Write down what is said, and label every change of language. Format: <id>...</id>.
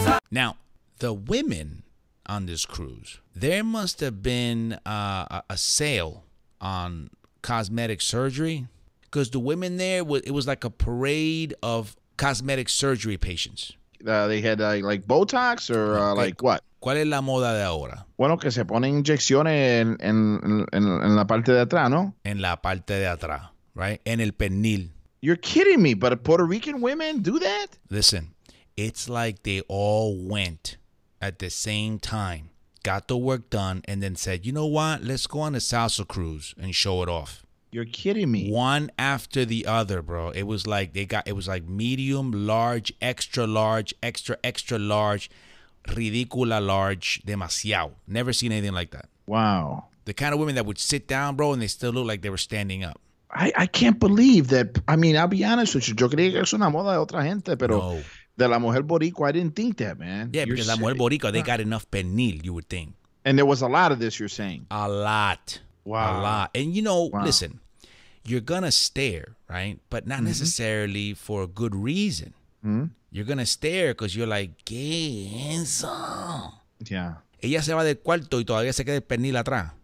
<en>Now, the women on this cruise, there must have been a sale on cosmetic surgery, because the women there, it was like a parade of cosmetic surgery patients. They had like Botox or like what?</en> <es>¿Cuál es la moda de ahora? Bueno, que se ponen inyecciones en la parte de atrás, ¿no? En la parte de atrás, right? En el pernil.</es> <en>You're kidding me, but Puerto Rican women do that? Listen, it's like they all went at the same time. Got the work done, and then said, you know what? Let's go on a salsa cruise and show it off. You're kidding me. One after the other, bro. It was like medium, large, extra large, extra, extra large, ridícula large, demasiado. Never seen anything like that. Wow. The kind of women that would sit down, bro, and they still look like they were standing up. I can't believe that. I mean, I'll be honest with you.</en> <es>Yo creía que es una moda de otra gente, pero...</es> <en>No. that</en> <es>la mujer boricua,</es> <en>I didn't think that, man. Yeah, you're because</en> <es>la mujer boricua,</es> <en>they got enough penil, you would think. And there was a lot of this, you're saying. A lot. Wow. A lot. And, you know, listen, you're going to stare, right? But not necessarily for a good reason. Mm-hmm. You're going to stare because you're like, qué handsome. Yeah.</en> <es>Ella se va del cuarto y todavía se queda el pernil atrás.</es>